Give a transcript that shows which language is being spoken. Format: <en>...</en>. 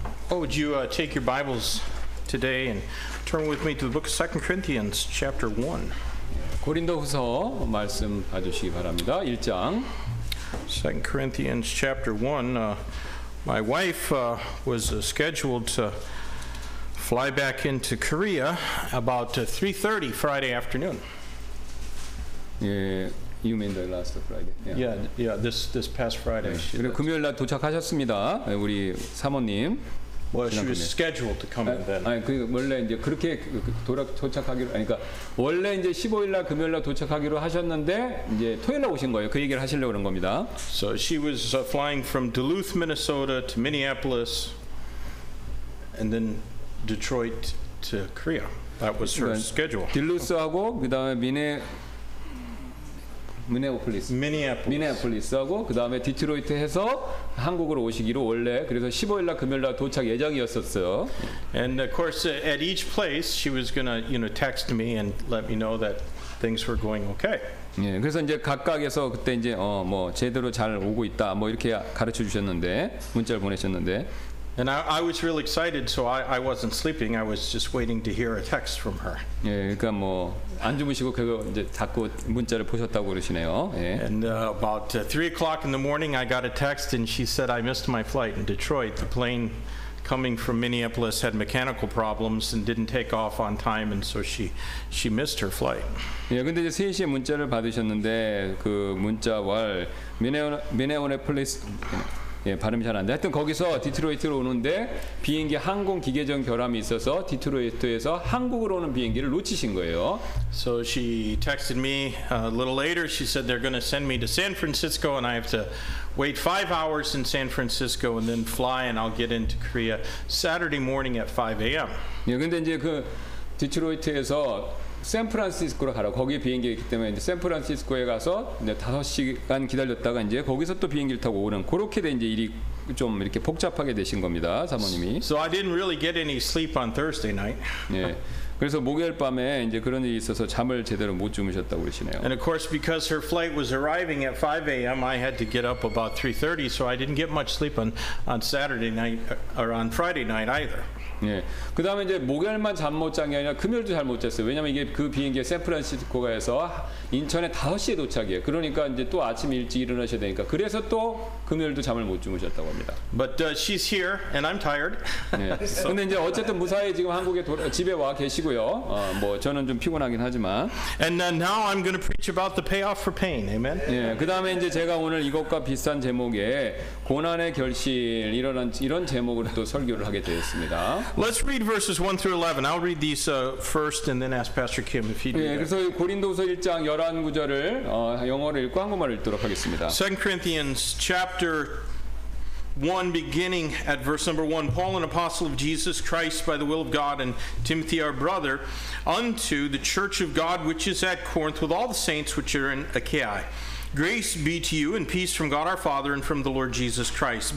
<en>Would you take your Bibles today and turn with me to the book of 2 Corinthians chapter 1.</en> <ko>고린도후서 말씀 봐주시기 바랍니다. 1장.</ko> <en>2 Corinthians chapter 1. My wife was scheduled to fly back into Korea about 3:30 Friday afternoon. Yeah, you mean the last Friday? Yeah, this past Friday.</en> <ko>그리고 금요일 날 도착하셨습니다. 우리 사모님.</ko> <en>Well, she was scheduled to come then.</en> <ko>아니, 그 원래 이제 그렇게 도착하기로 그러니까 원래 이제 15일 날 금요일 날 도착하기로 하셨는데 이제 토요일 날 오신 거예요. 그 얘기를 하시려고 그런 겁니다.</ko> <en>So she was flying from Duluth, Minnesota to Minneapolis and then Detroit to Korea. That was her schedule.</en> <ko>딜루스하고 그다음에 미네애폴리스하고 그 다음에 디트로이트 해서 한국으로 오시기로 원래 그래서 15일날 금요일날 도착 예정이었었어요.</ko> <en>And of course, at each place, she was gonna, you know, text me and let me know that things were going okay.</en> <ko>예, 그래서 이제 각각에서 그때 이제 뭐 제대로 잘 오고 있다, 뭐 이렇게 가르쳐 주셨는데 문자를 보내셨는데.</ko> <en>And I was really excited, so I wasn't sleeping. I was just waiting to hear a text from her.</en> <ko>예, 그러니까 뭐 안 주무시고 그거 이제 자꾸 문자를 보셨다고 그러시네요. 예.</ko> <en>And about 3 o'clock in the morning, I got a text, and she said I missed my flight in Detroit. The plane coming from Minneapolis had mechanical problems and didn't take off on time, and so she missed her flight.</en> <ko>예, 근데 이제 3시에 문자를 받으셨는데 그 문자월 미네애폴리스 예, 발음이 잘 안 돼. 하여튼 거기서 디트로이트로 오는데 비행기 항공 기계적 결함이 있어서 디트로이트에서 한국으로 오는 비행기를 놓치신 거예요.</ko> <en>So she texted me a little later. She said they're going to send me to San Francisco and I have to wait 5 hours in San Francisco and then fly and I'll get into Korea Saturday morning at 5 a.m.</en> <ko>예, 근데 이제 그 디트로이트에서 샌프란시스코로 가라. 거기에 비행기 있기 때문에 이제 샌프란시스코에 가서 이제 5시간 기다렸다가 이제 거기서 또 비행기를 타고 오는 그렇게 된 이제 일이 좀 이렇게 복잡하게 되신 겁니다. 사모님이.</ko> <en>So I didn't really get any sleep on Thursday night.</en> <ko>네. 그래서 목요일 밤에 이제 그런 일이 있어서 잠을 제대로 못 주무셨다고 그러시네요.</ko> <en>And of course because her flight was arriving at 5 a.m. I had to get up about 3:30 so I didn't get much sleep on Saturday night or on Friday night either.</en> <ko>예. 그다음에 이제 목요일만 잠 못 잔 게 아니라 금요일도 잘 못 잤어요. 왜냐면 이게 그 비행기에 샌프란시스코가 해서 인천에 5시에 도착이에요. 그러니까 이제 또 아침 일찍 일어나셔야 되니까 그래서 또 금요일도 잠을 못 주무셨다고 합니다.</ko> <en>But she's here and I'm tired.</en> <ko>예. 근데 이제 어쨌든 무사히 지금 한국에 집에 와 계시고요. 뭐 저는 좀 피곤하긴 하지만</ko> <en>And now I'm going to preach about the payoff for pain. Amen.</en> <ko>예. 그다음에 이제 제가 오늘 이것과 비슷한 제목에 고난의 결실 이런 제목으로 또 설교를 하게 되었습니다.</ko> <en>Let's read verses 1 through 11. I'll read these first and then ask Pastor Kim if he did.</en> <ko>예, 그래서 고린도서 1장 11구절을 영어로 읽고 한국말로 읽도록 하겠습니다.</ko> <en>2 Corinthians chapter 1 beginning at verse number 1. Paul, an apostle of Jesus Christ by the will of God and Timothy our brother, unto the church of God which is at Corinth with all the saints which are in Achaia. Grace be to you and peace from God our Father and from the Lord Jesus Christ.</en>